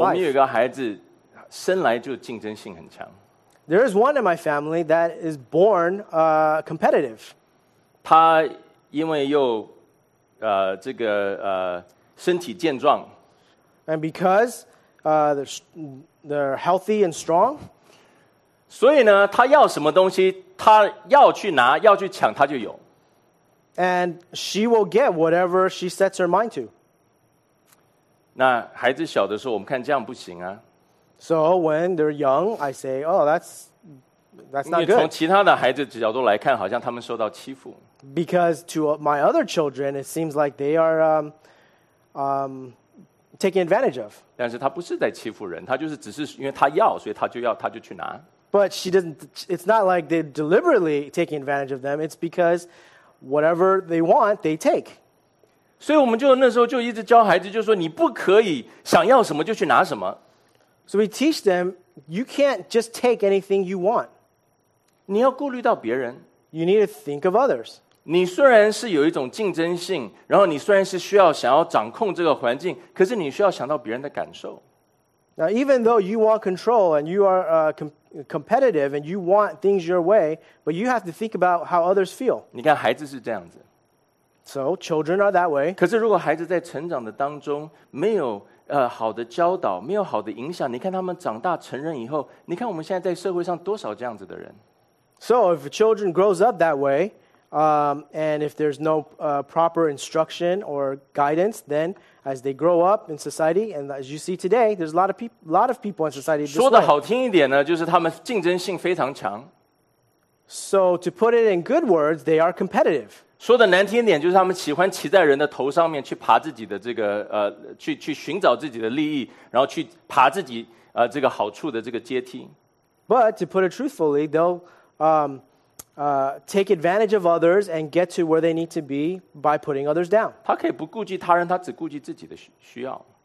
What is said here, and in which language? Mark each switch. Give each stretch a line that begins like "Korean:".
Chinese: 我们有一个孩子，生来就竞争性很强。
English: There is one in my family that is born competitive.
Chinese: 他因为又这个身体健壮
English: ，and because they're healthy and strong，
Chinese: 所以呢，他要什么东西，他要去拿，要去抢，他就有。
English: And she will get whatever she sets her mind to。
Chinese: 那孩子小的时候，我们看这样不行啊。
English: So when they're young, I say, oh, that's not good.
Chinese: 从其他的孩子角度来看，好像他们受到欺负。
English: Because to my other children, it seems like they are taken advantage of.
Chinese: 但是他不是在欺负人，他就是只是因为他要，所以他就要，他就去拿。
English: But she doesn't. It's not like they're deliberately taking advantage of them. It's because whatever they want, they take.
Chinese: 所以我们就那时候就一直教孩子，就说你不可以想要什么就去拿什么。
English: So we teach them you can't just take anything you want.
Chinese: 你要顾虑到别人。
English: You need to think of others.
Chinese: 你虽然是有一种竞争性，然后你虽然是需要想要掌控这个环境，可是你需要想到别人的感受。
English: Now, even though you want control and you are competitive and you want things your way, but you have to think about how others feel.
Chinese: 你看孩子是这样子。
English: So children are that way.
Chinese: 可是如果孩子在成长的当中没有好的教导，没有好的影响，你看他们长大成人以后，你看我们现在在社会上多少这样子的人。
English: So if a children grows up that way, and if there's no proper instruction or guidance, then as they grow up in society, and as you see today, there's a lot of people in society.
Chinese: 说的好听一点呢，就是他们竞争性非常强。
English: So to put it in good words, they are competitive.
Chinese: 说的难听一点，就是他们喜欢骑在人的头上面去爬自己的这个去寻找自己的利益，然后去爬自己这个好处的这个阶梯。
English: But to put it truthfully, take advantage of others and get to where they need to be by putting others down.
Chinese: 他可以不顾及他人，他只顾及自己的需要。